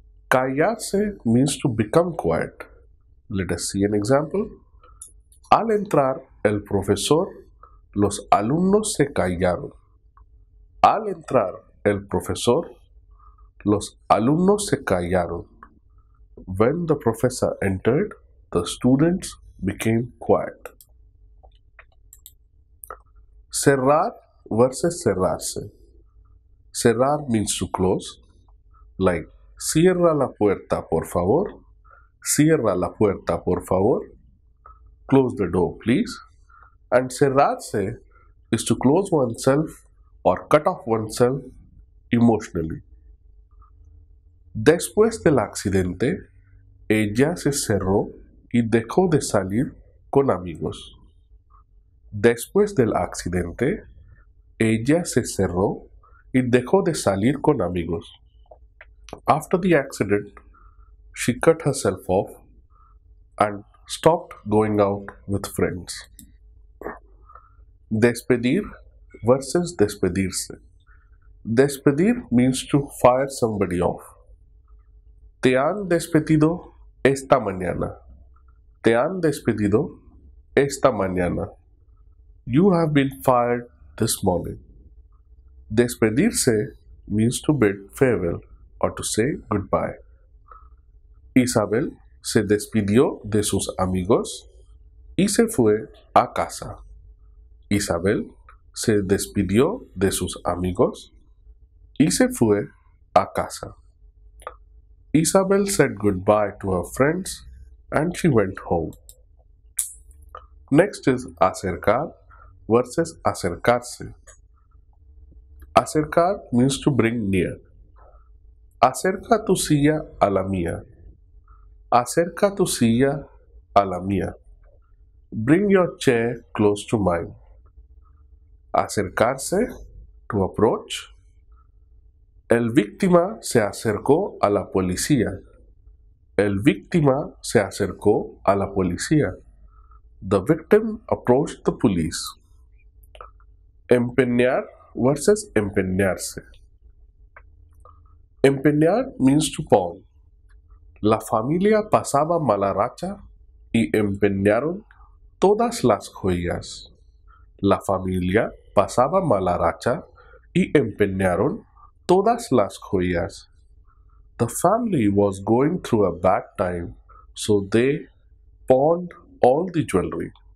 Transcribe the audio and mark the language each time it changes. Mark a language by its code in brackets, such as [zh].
[en] Callarse means to become quiet. Let us see an example. [es] Al entrar el profesor, los alumnos se callaron. Al entrar el profesor, los alumnos se callaron. [en] When the professor entered, the students became quiet. Cerrar versus cerrarse. Cerrar means to close. [es] Like, cierra la puerta, por favor. Cierra la puerta, por favor. [en] Close the door, please. And cerrarse is to close oneself or cut off oneself emotionally. [es] Después del accidente, ella se cerró y dejó de salir con amigos. Después del accidente, ella se cerró y dejó de salir con amigos. [en] After the accident, she cut herself off and stopped going out with friends. Despedir versus despedirse. Despedir means to fire somebody off. [es] Te han despedido esta mañana. Te han despedido esta mañana. [en] You have been fired this morning. Despedirse means to bid farewell or to say goodbye. [es] Isabel se despidió de sus amigos y se fue a casa. Isabel se despidió de sus amigos y se fue a casa. [en] Isabel said goodbye to her friends and she went home. Next is acercar versus acercarse. [es] Acercar [en] means to bring near. [es] Acerca tu silla a la mía. Acerca tu silla a la mía. [en] Bring your chair close to mine. [es] Acercarse, [en] to approach. [es] El víctima se acercó a la policía. El víctima se acercó a la policía. [en] The victim approached the police. Empeñar versus empeñarse. Empeñar means to pawn. [es] La familia pasaba mala racha y empeñaron todas las joyas. La familia pasaba mala racha y empeñaron todas las joyas. [en] The family was going through a bad time, so they pawned all the jewelry.